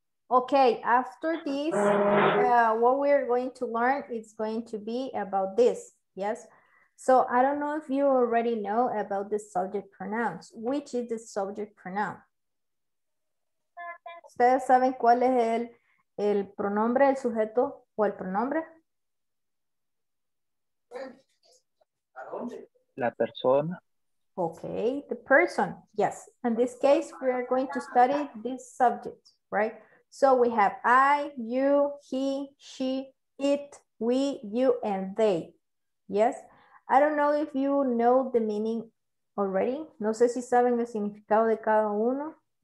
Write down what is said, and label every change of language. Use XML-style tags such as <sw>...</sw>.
<en>Okay, after this, what we're going to learn is going to be about this, yes? So I don't know if you already know about the subject pronouns. Which is the subject pronoun?</en> <es>¿Ustedes saben cuál es el pronombre, el sujeto o el pronombre? La persona.</es> <en>Okay, the person, yes. In this case, we are going to study this subject, right? So we have I, you, he, she, it, we, you, and they, yes? I don't know if you know the meaning already.</en> <es>No sé si saben el significado de cada uno.</es>